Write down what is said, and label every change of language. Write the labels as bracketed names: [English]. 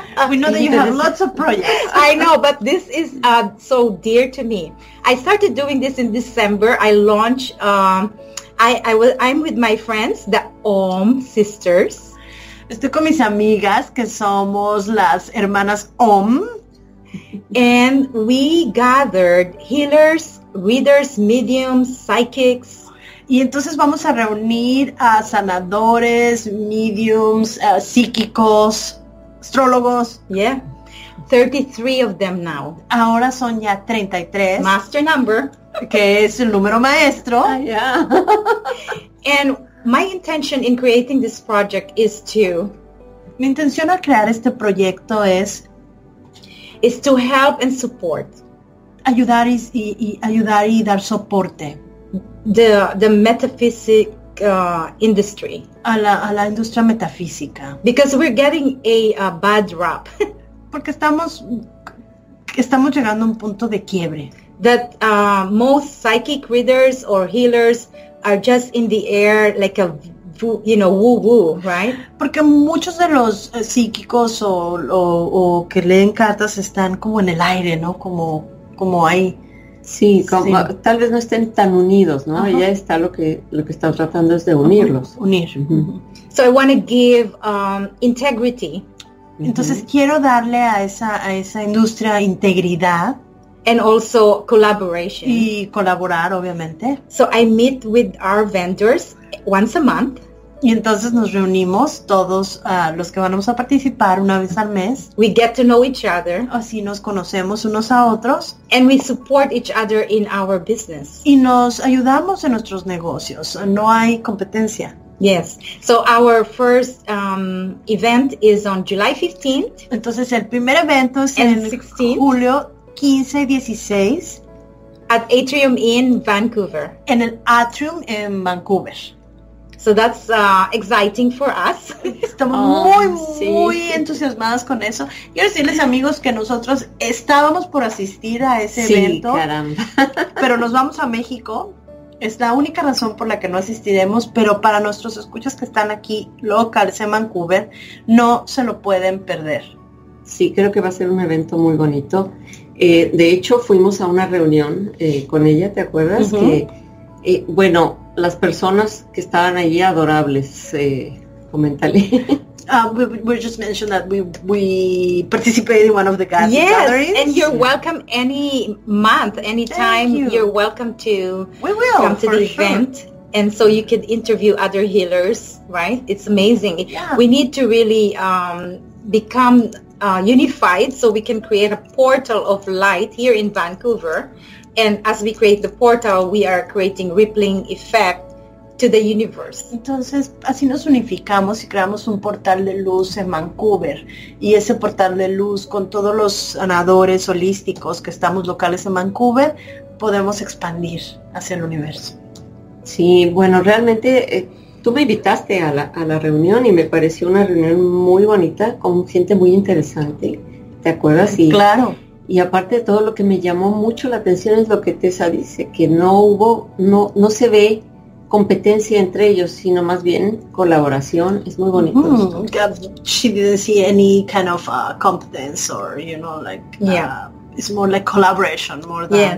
[English] We know that you have lots of projects. I know, but this is so dear to me. I started doing this in December. I launched, I'm with my friends, the Om Sisters. [Spanish] Estoy con mis amigas, que somos las hermanas Om. [English] And we gathered healers, readers, mediums, psychics. [Spanish] Y entonces vamos a reunir a sanadores, mediums, psíquicos, astrólogos. [English] Yeah, 33 of them now. [Spanish] Ahora son ya 33. [English] Master number. [Spanish] Que es el número maestro. [English] Yeah. And my intention in creating this project is to... [Spanish] Mi intención al crear este proyecto es... [English] Is to help and support. [Spanish] Ayudar y ayudar y dar soporte. [English] The metaphysic industry. [Spanish] A la industria metafísica. [English] Because we're getting a bad rap. [Spanish] Porque estamos llegando a un punto de quiebre. That most psychic readers or healers are just in the air like a, you know, woo-woo, right? Porque muchos de los psíquicos o que leen cartas están como en el aire, ¿no? Como ahí. Sí, como, sí, tal vez no estén tan unidos, ¿no? Uh-huh. Ya está lo que estamos tratando es de unirlos. Unir. [English] Uh-huh. So I want to give integrity. [Spanish] Entonces uh-huh. Quiero darle a esa industria integridad. [English] And also collaboration. [Spanish] Y colaborar, obviamente. [English] So I meet with our vendors once a month. [Spanish] Y entonces nos reunimos todos los que vamos a participar una vez al mes. [English] We get to know each other. [Spanish] Así nos conocemos unos a otros. [English] And we support each other in our business. [Spanish] Y nos ayudamos en nuestros negocios. No hay competencia. [English] Yes. So our first event is on July 15th. [Spanish] Entonces el primer evento es en 16th, julio 15 y 16 [English] at Atrium in Vancouver. [Spanish] En el Atrium en Vancouver. [English] So that's exciting for us. [Spanish] Estamos muy entusiasmadas con eso. Quiero decirles, amigos, que nosotros estábamos por asistir a ese evento. Sí, caramba. Pero nos vamos a México. Es la única razón por la que no asistiremos, pero para nuestros escuchas que están aquí locales en Vancouver, no se lo pueden perder. Sí, creo que va a ser un evento muy bonito. De hecho, fuimos a una reunión con ella, ¿te acuerdas? Uh-huh. Bueno, las personas que estaban allí, adorables, coméntale. [English] We just mentioned that we participated in one of the gatherings. Yes, and you're welcome any month, anytime. Thank you. You're welcome to come to the sure. event, and so you could interview other healers, right? It's amazing. Yeah. We need to really become unified so we can create a portal of light here in Vancouver, and as we create the portal, we are creating rippling effect to the universe. [Spanish] Entonces, así nos unificamos y creamos un portal de luz en Vancouver. Y ese portal de luz, con todos los sanadores holísticos que estamos locales en Vancouver, podemos expandir hacia el universo. Sí, bueno, realmente tú me invitaste a la reunión y me pareció una reunión muy bonita, con gente muy interesante. ¿Te acuerdas? Y, claro. Y aparte de todo, lo que me llamó mucho la atención es lo que Tessa dice, que no se ve competencia entre ellos, sino más bien colaboración. Es muy bonito. Mm-hmm. [English] She didn't see any kind of competence or, you know, like, it's more like collaboration, more than...